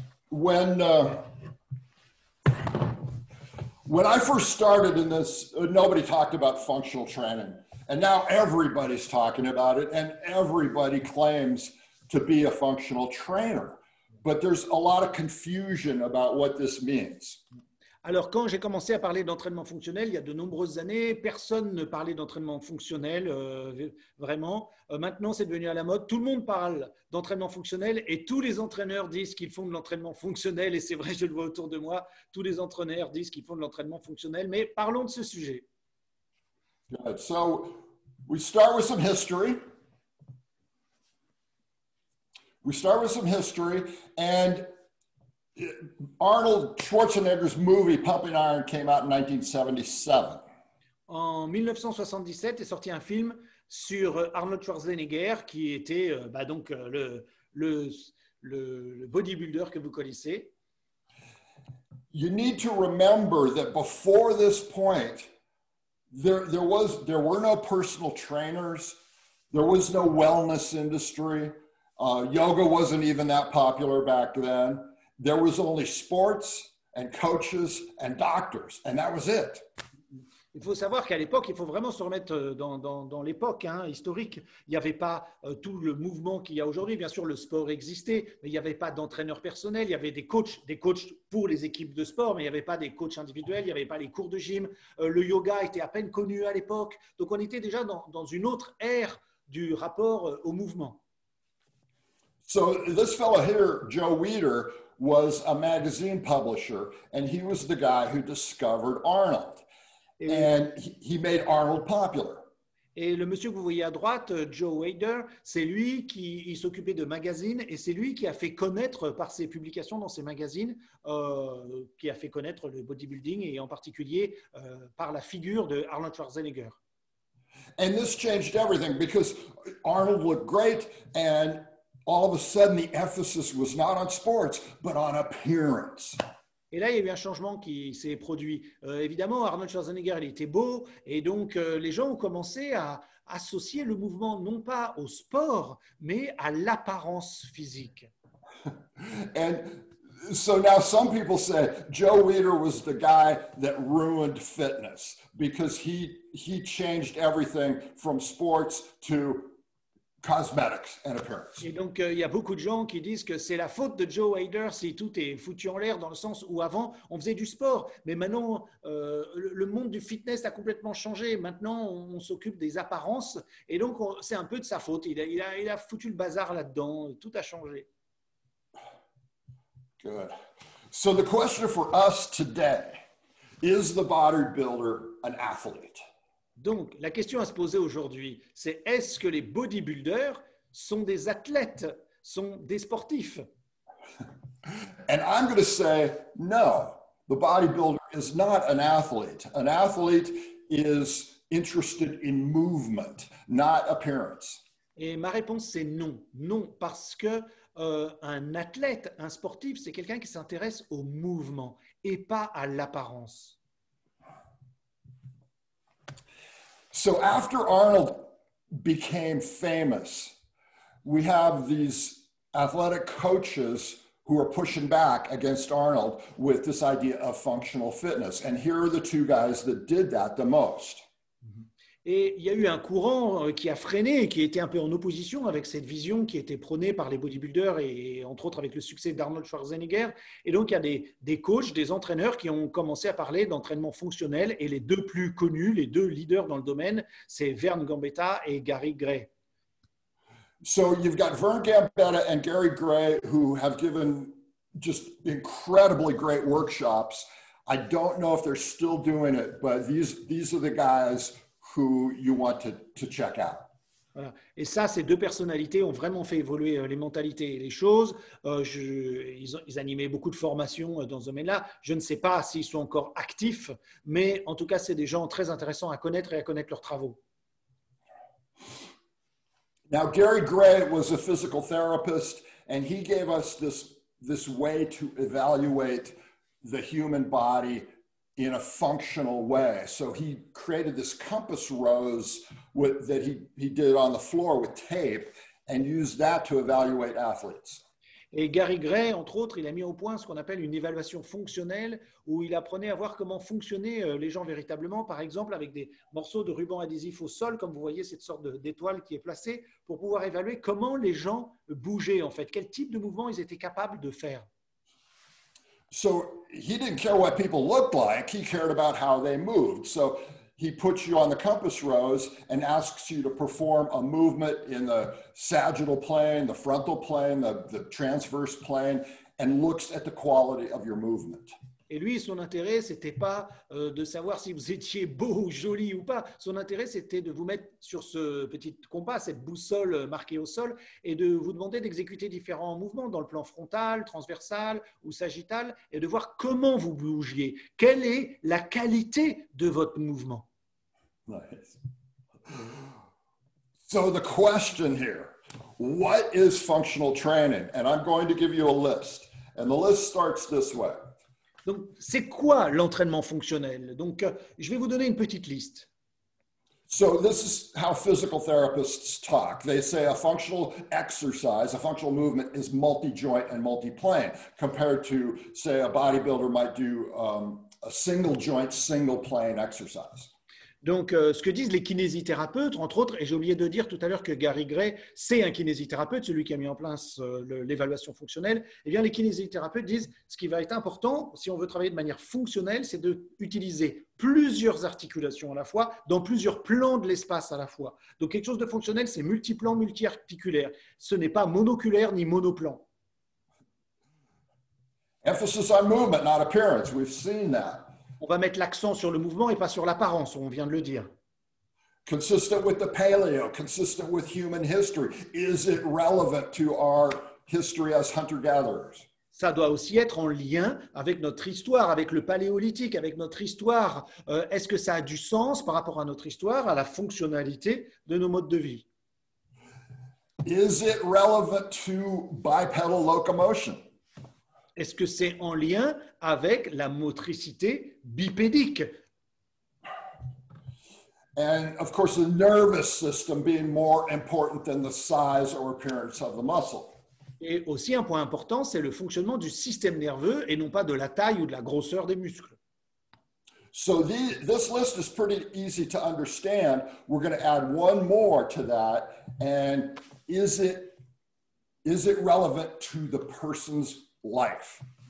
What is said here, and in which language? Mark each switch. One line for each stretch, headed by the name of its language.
English: When I first started in this, nobody talked about functional training. And now everybody's talking about it and everybody claims to be a functional trainer. But there's a lot of confusion about what this means.
French: Alors, quand j'ai commencé à parler d'entraînement fonctionnel, il y a de nombreuses années, personne ne parlait d'entraînement fonctionnel, vraiment. Maintenant, c'est devenu à la mode. Tout le monde parle d'entraînement fonctionnel et tous les entraîneurs disent qu'ils font de l'entraînement fonctionnel. Et c'est vrai, je le vois autour de moi, tous les entraîneurs disent qu'ils font de l'entraînement fonctionnel. Mais parlons de ce sujet.
English: Good. So, we start with some history. We start with some history and... Arnold Schwarzenegger's movie Pumping Iron came out in 1977.
French: En 1977 est sorti un film sur Arnold Schwarzenegger qui était donc le bodybuilder que vous connaissez.
English: You need to remember that before this point there were no personal trainers, there was no wellness industry, yoga wasn't even that popular back then. There was only sports and coaches and doctors, and that was it.
French: Il faut savoir qu'à l'époque, il faut vraiment se remettre dans l'époque historique. Il n'y avait pas tout le mouvement qu'il y a aujourd'hui. Bien sûr, le sport existait, mais il n'y avait pas d'entraîneur personnel. Il y avait des coachs pour les équipes de sport, mais il n'y avait pas des coachs individuels. Il n'y avait pas les cours de gym. Le yoga était à peine connu à l'époque. Donc, on était déjà dans une autre ère du rapport au mouvement.
English: So, this fellow here, Joe Weider, was a magazine publisher, and he was the guy who discovered Arnold, and he made Arnold popular.
French: Et le monsieur que vous voyez à droite, Joe Weider, c'est lui qui s'occupait de magazines, et c'est lui qui a fait connaître par ses publications dans ses magazines, qui a fait connaître le bodybuilding, et en particulier par la figure de Arnold Schwarzenegger.
English: And this changed everything because Arnold looked great, and all of a sudden the emphasis was not on sports, but on appearance.
French: Et là, il y a eu un changement qui s'est produit. Évidemment, Arnold Schwarzenegger, il était beau. Et donc, les gens ont commencé à associer le mouvement non pas au sport, mais à l'apparence physique.
English: And so now some people say Joe Weider was the guy that ruined fitness because he changed everything from sports to cosmetics and appearance.
French: Et donc, il y a beaucoup de gens qui disent que c'est la faute de Joe Weider si tout est foutu en l'air, dans le sens où avant, on faisait du sport. Mais maintenant, le monde du fitness a complètement changé. Maintenant, on s'occupe des apparences. Et donc, c'est un peu de sa faute. Il a foutu le bazar là-dedans. Tout a changé.
English: Good. So the question for us today, is the bodybuilder an athlete?
French: Donc, la question à se poser aujourd'hui, c'est est-ce que les bodybuilders sont des athlètes, sont des sportifs?
English: And I'm going to say, no, the bodybuilder is not an athlete. An athlete is interested in movement, not appearance.
French: Et ma réponse, c'est non. Non, parce que un athlète, un sportif, c'est quelqu'un qui s'intéresse au mouvement et pas à l'apparence.
English: So after Arnold became famous, we have these athletic coaches who are pushing back against Arnold with this idea of functional fitness. And here are the two guys that did that the most.
French: Et il y a eu un courant qui a freiné et qui était un peu en opposition avec cette vision qui était prônée par les bodybuilders et entre autres avec le succès d'Arnold Schwarzenegger. Et donc, il y a des coachs, des entraîneurs qui ont commencé à parler d'entraînement fonctionnel et les deux plus connus, les deux leaders dans le domaine, c'est Vern Gambetta et Gary Gray.
English: So, you've got Vern Gambetta and Gary Gray who have given just incredibly great workshops. I don't know if they're still doing it, but these are the guys who you want to check out.
French: Voilà. Et ça, ces deux personnalités ont vraiment fait évoluer les mentalités et les choses. Ils animaient beaucoup de formations dans ce domaine-là. Je ne sais pas s'ils sont encore actifs, mais en tout cas, c'est des gens très intéressants à connaître et à connaître leurs travaux.
English: Now, Gary Gray was a physical therapist, and he gave us this way to evaluate the human body in a functional way. So he created this compass rose that he did on the floor with tape and used that to evaluate athletes.
French: Et Gary Gray, entre autres, il a mis au point ce qu'on appelle une évaluation fonctionnelle où il apprenait à voir comment fonctionnaient les gens véritablement, par exemple avec des morceaux de ruban adhésif au sol, comme vous voyez cette sorte d'étoile qui est placée, pour pouvoir évaluer comment les gens bougeaient en fait, quel type de mouvement ils étaient capables de faire.
English: So he didn't care what people looked like, he cared about how they moved. So he puts you on the compass rose and asks you to perform a movement in the sagittal plane, the frontal plane, the transverse plane, and looks at the quality of your movement.
French: Et lui, son intérêt, c'était pas de savoir si vous étiez beau ou joli ou pas. Son intérêt, c'était de vous mettre sur ce petit compas, cette boussole marquée au sol, et de vous demander d'exécuter différents mouvements dans le plan frontal, transversal ou sagittal, et de voir comment vous bougiez. Quelle est la qualité de votre mouvement?
English: Nice. So the question here, what is functional training? And I'm going to give you a list. And the list starts this way.
French: Donc, c'est quoi l'entraînement fonctionnel? Donc, je vais vous donner une petite liste.
English: So, this is how physical therapists talk. They say a functional exercise, a functional movement is multi-joint and multi-plane, compared to, say, a bodybuilder might do a single-joint, single-plane exercise.
French: Donc, ce que disent les kinésithérapeutes, entre autres, et j'ai oublié de dire tout à l'heure que Gary Gray, c'est un kinésithérapeute, celui qui a mis en place l'évaluation fonctionnelle. Eh bien, les kinésithérapeutes disent ce qui va être important, si on veut travailler de manière fonctionnelle, c'est d'utiliser plusieurs articulations à la fois, dans plusieurs plans de l'espace à la fois. Donc, quelque chose de fonctionnel, c'est multiplan, multiarticulaire. Ce n'est pas monoculaire ni monoplan.
English: Emphasis on movement, not appearance. We've seen that.
French: On va mettre l'accent sur le mouvement et pas sur l'apparence, on vient de le dire.
English: Consistent with the paleo, consistent with human history. Is it relevant to our history as hunter-gatherers?
French: Ça doit aussi être en lien avec notre histoire, avec le paléolithique, avec notre histoire. Est-ce que ça a du sens par rapport à notre histoire, à la fonctionnalité de nos modes de vie?
English: Is it relevant to bipedal locomotion?
French: Est-ce que c'est en lien avec la motricité bipédique?
English: And of course, the nervous system being more important than the size or appearance of the muscle.
French: Et aussi un point important, c'est le fonctionnement du système nerveux et non pas de la taille ou de la grosseur des muscles.
English: So this list is pretty easy to understand. We're going to add one more to that. And is it relevant to the person's life?